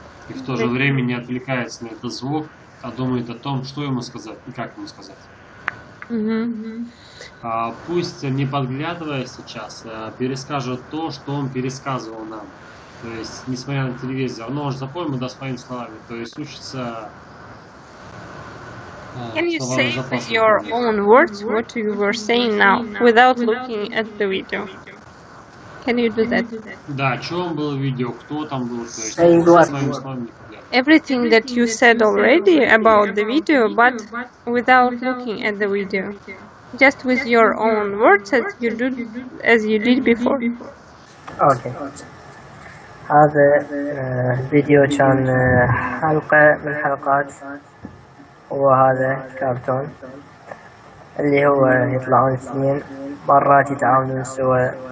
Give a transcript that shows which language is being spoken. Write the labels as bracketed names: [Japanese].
[Russian] И в то же время не отвлекается на этот звук, а думает о том, что ему сказать и как ему сказать. Пусть, не подглядывая сейчас, перескажет то, что он пересказывал нам. То есть, несмотря на телевизор, но он же запомнил, да, своими словами. То есть, учится... [English] Can you say with your own words what you were saying now, without looking at the video? Can you do that? [Russian] Да, о чем было видео, кто там был, то есть, своими словами. [English] Everything that you said already about the video, but without looking at the video. Just with your own words as you do, as you did before. Okay. [Arabic] هذا فيديو كان حلقة من حلقات وهذا كرتون اللي هو يطلعون اثنين مرات يتعاونون سوا